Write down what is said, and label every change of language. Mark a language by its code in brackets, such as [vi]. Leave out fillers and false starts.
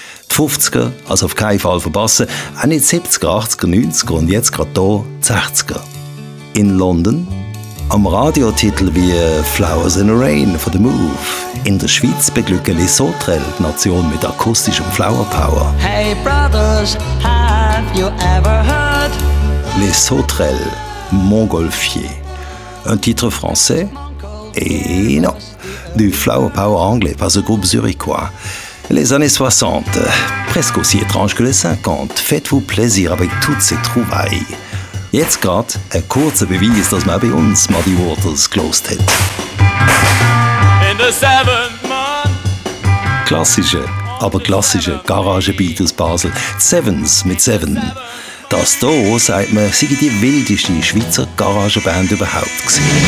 [de] Die 50er, also auf keinen Fall verpassen, auch nicht 70er, 80er, 90er und jetzt gerade hier die 60er. In London, am Radiotitel wie «Flowers in the Rain» von «The Move». In der Schweiz beglücken Les Sauterelles die Nation mit akustischem Flower Power. [en] Hey Brothers, have you ever heard? [fr] Les Sauterelles, Montgolfier. Un titre français? Eh non. Du Flower Power anglais par ce groupe zurichois. Les années 60, presque aussi étrange que les 50. Faites-vous plaisir avec toutes ces trouvailles. [de] Jetzt gerade ein kurzer Beweis, dass man auch bei uns Muddy Waters gelost hat. [en] In the seventh month. [de] Klassische, aber klassische Garagebeat aus Basel. Die Sevens mit Seven. Das hier, sagt man, sei die wildeste Schweizer Garageband überhaupt gewesen.